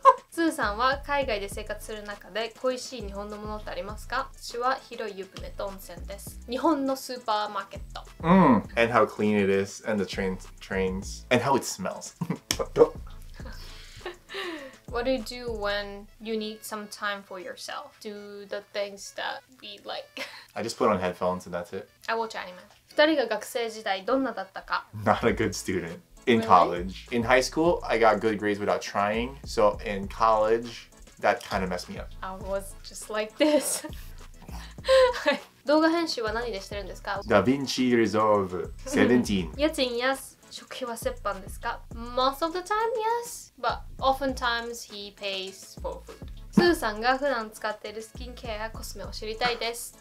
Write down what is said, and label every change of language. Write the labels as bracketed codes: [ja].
[ja] スーさんは海外で生活する中で恋しい日本のものってありますか? 私は広い湯船と温泉です。日本のスーパーマーケット。うん。 [en] And how clean it is, and the trains, and how it smells. What do you do when you need some time for yourself? Do the things that we like. I just put on headphones and that's it. I watch anime. [ja] 2人が学生時代どんなだったか? [en] Not a good student. In college. Really? In high school, I got good grades without trying. So in college, that kind of messed me up. I was just like this. [ja] 動画編集は何でしてるんですか? ダヴィンチリゾーブ17. 家賃や食費は折半ですか? [en] Most of the time, yes. But oftentimes, he pays for food. [ja] スーさんが普段使っているスキンケアやコスメを知りたいです。